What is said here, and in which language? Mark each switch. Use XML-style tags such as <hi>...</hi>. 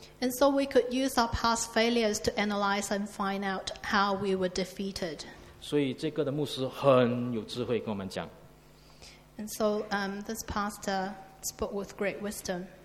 <en>And so we could use our past failures to analyze and find out how we were defeated.</en> <zh>所以这个的牧师很有智慧跟我们讲。</zh> <en>And so this pastor spoke with great wisdom.</en>